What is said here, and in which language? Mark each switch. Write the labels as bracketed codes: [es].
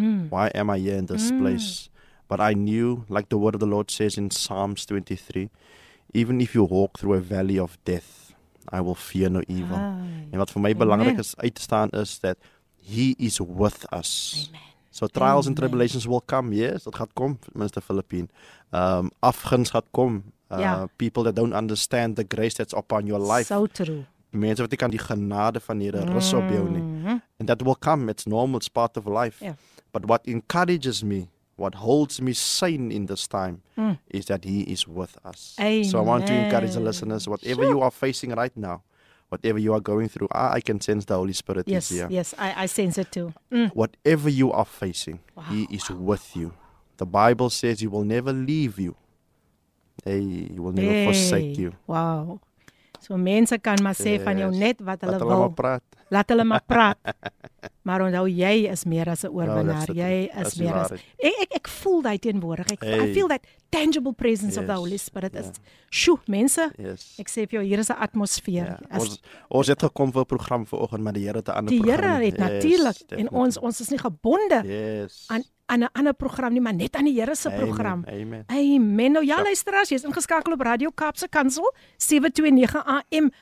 [en] Why am I here in this place? But I knew, like the word of the Lord says in Psalms 23, even if you walk through a valley of death, I will fear no evil. Aye. [af] En wat vir my belangrik is uit te staan [en] is that he is with us. Amen. So trials and tribulations will come, yes, [af] dat gaat kom, [en] Minister Philippine. [af] Afguns gaat kom. [en] People that don't understand the grace that's upon your life. So true. [af] Mense wat jy kan die genade van Here rus op jou nie. [en] And that will come, it's normal, it's part of life. Yeah. But what encourages me, what holds me sane in this time, is that he is with us. Amen. So I want to encourage the listeners, whatever you are facing right now, whatever you are going through, I can sense the Holy Spirit is here. Yes, I sense it too. Mm. Whatever you are facing, wow, He is with you. The Bible says He will never leave you. He will never forsake you. [af] Wow. So mense kan maar sê van jou net wat hulle wil. Laat hulle maar praat. Maar onthou, jy is meer as 'n oorwinnaar. Jy is meer as... Ek voel die teenwoordigheid. [en] I feel that tangible presence of the Holy Spirit. [af] Sjoe, mense. [en] Yes. [af] Ek sê vir jou, hier is 'n atmosfeer. [en] Yeah. [af] Ons het gekom vir 'n program vanoggend, maar die Here het 'n ander program. Die Here het natuurlik. Yes, en ons is nie gebonde aan 'n ander program nie, maar net aan die Here se program. [en] Amen. [af] Nou ja, luisteraars, jy is ingeskakel op Radio Kaapse Kansel 729 AM.